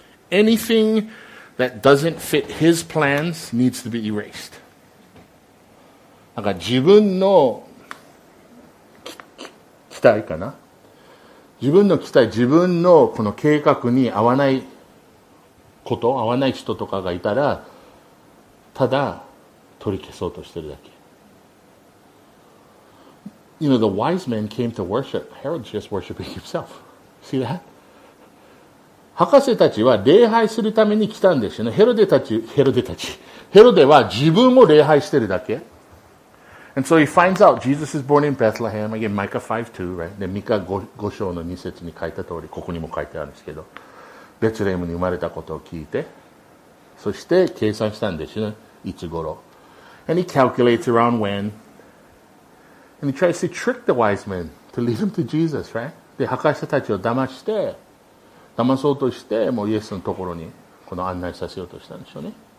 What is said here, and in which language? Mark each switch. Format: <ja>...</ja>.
<en>Anything that doesn't fit his plans needs to be erased.</en> <ja>なんか自分の期待かな、自分の期待、自分のこの計画に合わないこと、合わない人とかがいたら、ただ取り消そうとしてるだけ。</ja> <en>You know, the wise men came to worship. Herod's just worshiping himself. See that?</en> <ja>博士たちは礼拝するために来たんですよね。ヘロデたち。ヘロデは自分も礼拝してるだけ。</ja> <en>And so he finds out Jesus is born in Bethlehem. Again, Micah 5:2, right?</en> <ja>で、ミカ 5章の2節に書いた通り、ここにも書いてあるんですけど、ベツレヘムに生まれたことを聞いて、そして計算したんですよね、いつ頃。</ja> <en>And he calculates around when. And he tries to trick the wise men to lead him to Jesus, right?</en> <ja>で、博士たちを騙そうとして、もうイエスのところにこの案内させようとしたんでしょうね。</ja>